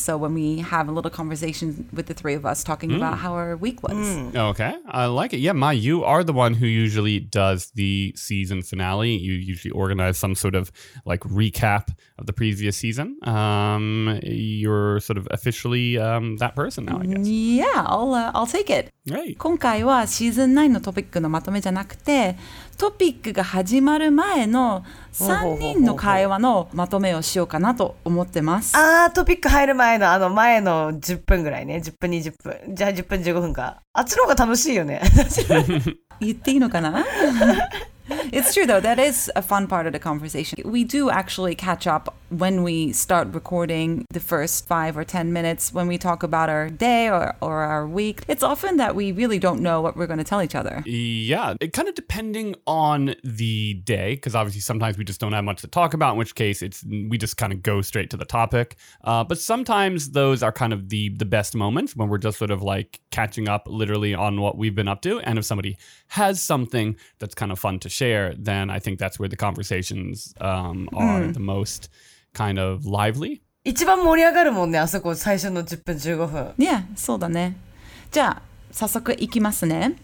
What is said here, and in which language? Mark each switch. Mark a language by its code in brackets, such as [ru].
[en] So when we have a little conversation with the three of us talking about how our week was. Mm. Okay, I like it. Yeah, Mai, you are the one who usually does the season finale. You usually organize some sort of like recap of the previous season. You're sort of officially that person now, I guess. Yeah, I'll take it. Great. [ja] 今回はシーズン9のトピックのまとめじゃなくて、トピックが始まる前の3人の会話のまとめをしようかなと思ってます。あー、トピック入る前の、あの前の10分ぐらいね。10分、20分。じゃあ10分、15分か。あっちの方が楽しいよね。言っていいのかな？ [en] It's true though, that is a fun part of the conversation. We do actually catch up when we start recording the first 5 or 10 minutes when we talk about our day or our week. It's often that we really don't know what we're going to tell each other. Yeah, it kind of depending on the day, because obviously sometimes we just don't have much to talk about, in which case we just kind of go straight to the topic. But sometimes those are kind of the best moments when we're just sort of like catching up literally on what we've been up to. And if somebody has something that's kind of fun to share, then I think that's where the conversations are the most kind of lively. [ja] 一番盛り上がるもんね、あそこ最初の10分15分。 Yeah, そうだね。じゃあ、早速いきますね。